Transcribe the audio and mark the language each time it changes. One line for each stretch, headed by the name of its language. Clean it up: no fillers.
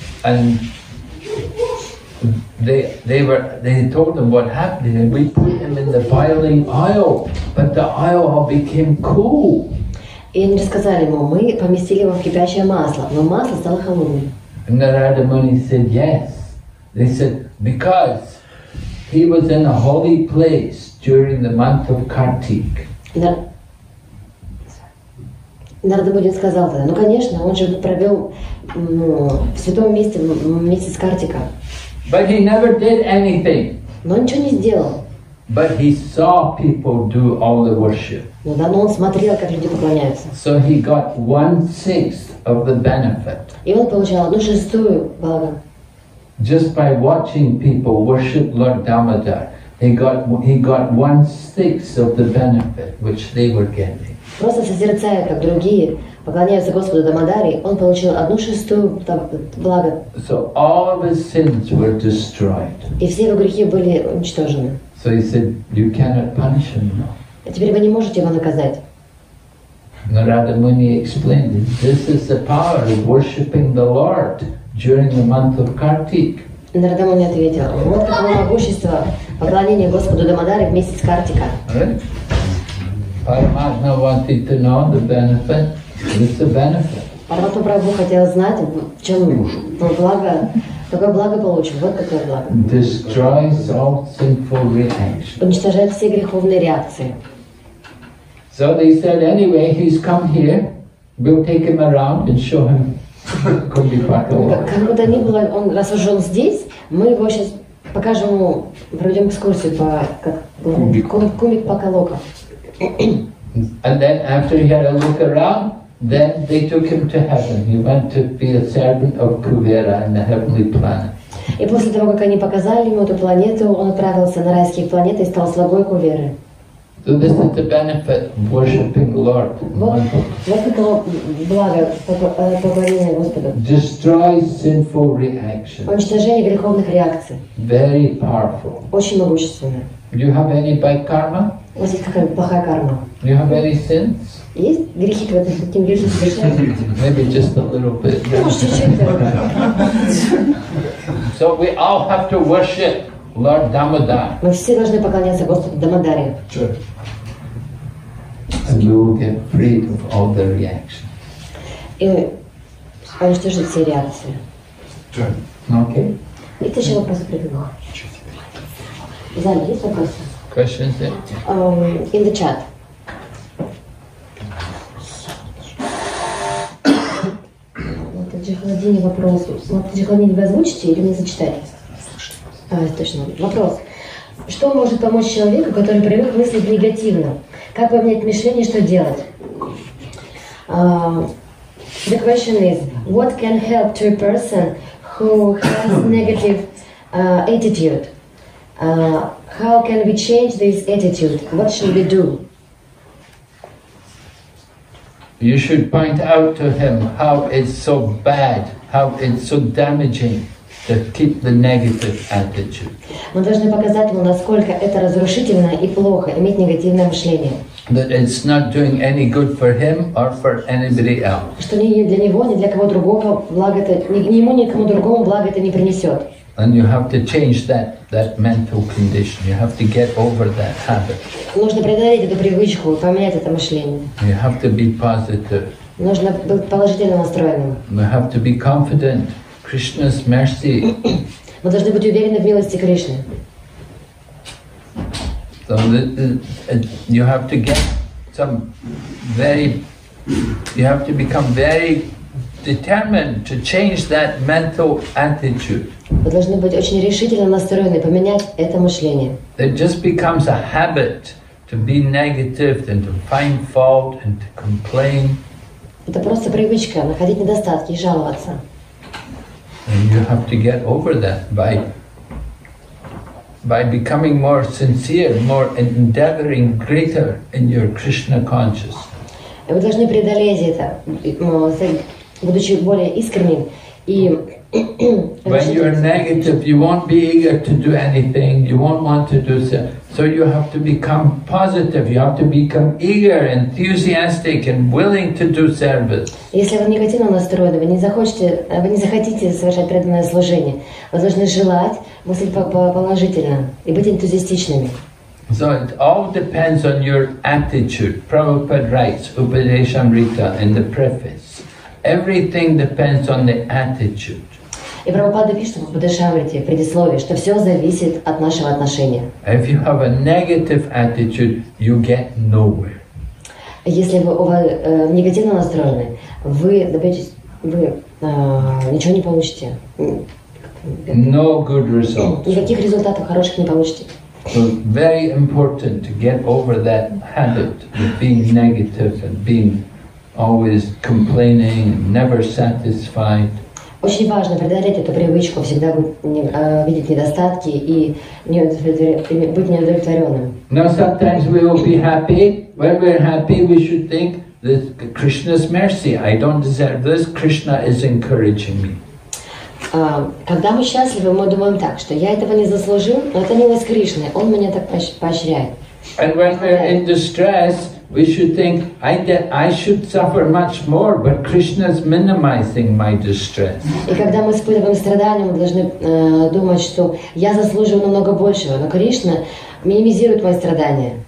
English: And they told him what happened, and we put him in the boiling oil, but the oil all became cool.
Russian: И они сказали ему, мы поместили его в кипящее масло, но масло стало холодным.
English: And Narada Muni said yes. They said because he was in a holy place during the month of Kartik.
Russian: Нарада Муни сказал тогда, ну конечно, он же провел в святом месте, в месяц Картика.
English: But he never did anything.
Russian: Но он ничего не сделал.
English: But he saw people do all the worship.
Russian: Ну да, но он смотрел, как люди поклоняются.
English: So he got 1/6 of the benefit.
Russian: И он получал 1/6 блага.
English: Just by watching people worship Lord Damodar, he got 1/6 of the benefit which they were getting.
Russian: Просто созерцая, как другие поклоняются Господу Дамодаре, он получил 1/6 блага.
English: So all of his sins were destroyed.
Russian: И все его грехи были уничтожены.
English: So he said, "You cannot punish him now."
Russian: А теперь вы не можете его наказать.
English: Narada Muni explained, "This is the power of worshiping the Lord during the month of Kartik."
Russian: Narada Muni ответил, "Вот какое могущество поклонения Господу Дамодаре в месяц Картика."
English: Right? Paramatma wanted to know the benefit. What's the benefit?
Russian: Парамату Прабху хотел знать, в чем благо. Какое благо получил? Вот какое благо.
English: Destroys all sinful reactions.
Russian: Уничтожает все греховные реакции.
English: So they said, anyway, he's come here. We'll take him around and show him.
Russian: Как бы то ни было, он раз уж он здесь, мы его сейчас покажем ему, проведем экскурсию по Кумбхипакалока.
English: And then after he had a look around, then they took him to heaven. He went to be a servant of Kuvera in the heavenly planet.
Russian: И после того, как они показали ему эту планету, он отправился на райские планеты и стал слугой Куверы.
English: So this is the benefit of worshiping the Lord.
Russian: Вот это благо поклонения Господу.
English: Destroys sinful reactions.
Russian: Уничтожение греховных реакций.
English: Very powerful.
Russian: Очень могущественно.
English: Do you have any bad karma?
Russian: У вас есть какая-то плохая карма?
English: Do you have any sins?
Russian: Есть грехи, которые с этим грехом совершают?
English: Maybe just a little bit.
Russian: Может, чуть-чуть.
English: So we all have to worship Lord Damodar.
Russian: Мы все должны поклоняться Господу Дамодаре.
English: And we will get freed of all the reactions.
Russian: И уничтожить все реакции.
English: Okay.
Russian: И ты еще вопрос прибегал. Зали, есть вопросы?
English: Questions there? In the chat.
Russian: Владимир, вопрос. Смотрите, Владимир, вы озвучите или мне зачитаете? Точно. Вопрос. Что может помочь человеку, который привык мыслить негативно? Как поменять мышление, что делать?
English: The question is, what can help to a person who has negative attitude? How can we change this attitude? What should we do? You should point out to him how it's so bad, how it's so damaging to keep the negative attitude.
Russian: Мы должны показать ему, насколько это разрушительно и плохо иметь негативное мышление.
English: That it's not doing any good for him or for anybody else.
Russian: Что для него, ни для кого другого благо это ни ему, ни кому другому благо это не принесет.
English: And you have to change that mental condition. You have to get over that habit.
Russian: Нужно преодолеть эту привычку, поменять это мышление.
English: You have to be positive.
Russian: Нужно быть положительно настроенным.
English: You have to be confident. Krishna's mercy.
Russian: Мы должны быть уверены в милости Кришны.
English: So you have to get some very, you have to become very determined to change that mental attitude.
Russian: Вы должны быть очень решительно настроены поменять это мышление.
English: It just becomes a habit to be negative and to find fault and to complain.
Russian: Это просто привычка находить недостатки и жаловаться.
English: And you have to get over that by becoming more sincere, more endeavoring, greater in your Krishna consciousness.
Russian: Вы должны преодолеть это, будучи более искренним и
English: when you are negative, you won't be eager to do anything, you won't want to do so. So you have to become positive, you have to become eager, enthusiastic and willing to do service.
Russian: Если вы негативно настроены, вы не захотите совершать преданное служение, вы должны желать мыслить положительно и быть энтузиастичными.
English: So it all depends on your attitude. Prabhupada writes Upadeshamrita in the preface. Everything depends on the attitude.
Russian: И Прабхупада пишет в Упадешамрите, в предисловии, что все зависит от нашего отношения.
English: If you have a negative attitude, you get nowhere.
Russian: Если вы негативно настроены, вы ничего не получите.
English: No good results.
Russian: Никаких результатов хороших не получите.
English: So very important to get over that habit of being negative and being always complaining, never satisfied.
Russian: Очень важно преодолеть эту привычку всегда видеть недостатки и быть неудовлетворенным.
English: Now sometimes we will be happy. When we're happy, we should think this Krishna's mercy. I don't deserve this. Krishna is encouraging me.
Russian: Когда мы счастливы, мы думаем так, что я этого не заслужил, но это милость Кришны. Он меня так поощряет.
English: And when we're in distress, we should think I should suffer much more, but Krishna is minimizing my distress.
Russian: И когда мы испытываем страдания, мы должны думать, что я заслуживаю намного большего, но Кришна минимизирует мои страдания.